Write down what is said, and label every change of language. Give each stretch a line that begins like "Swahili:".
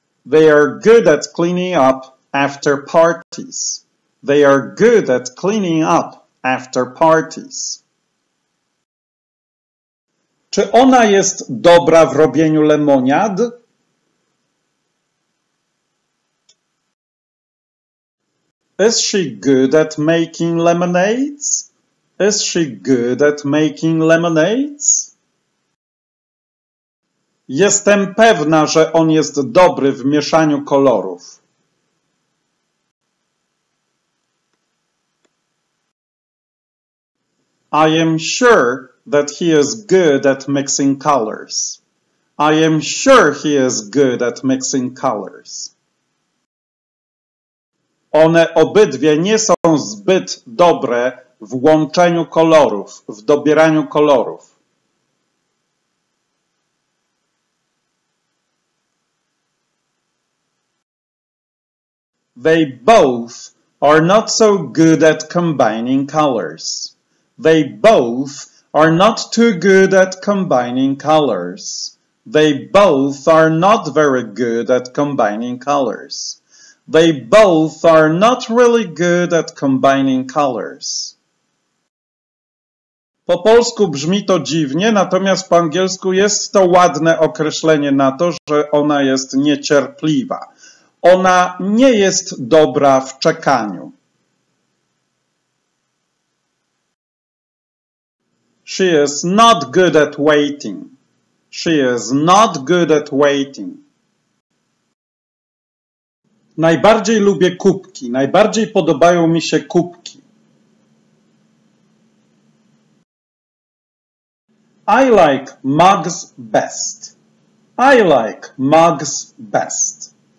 English: They are good at cleaning up after parties. They are good at cleaning up after parties.
Polish: Czy ona jest dobra w robieniu lemoniad?
English: Is she good at making lemonades? Is she good at making lemonades?
Polish: Jestem pewna, że on jest dobry w mieszaniu kolorów.
English: I am sure that he is good at mixing colors. I am sure he is good at mixing colors.
Polish: One obydwie nie są zbyt dobre w łączeniu kolorów, w dobieraniu kolorów.
English: They both are not so good at combining colors. They both are not too good at combining colors. They both are not very good at combining colors. They both are not really good at combining colors.
Polish: Po polsku brzmi to dziwnie, natomiast po angielsku jest to ładne określenie na to, że ona jest niecierpliwa. Ona nie jest dobra w czekaniu.
English: She is not good at waiting. She is not good at waiting.
Polish: Najbardziej lubię kubki. Najbardziej podobają mi się kubki.
English: I like mugs best. I like mugs best.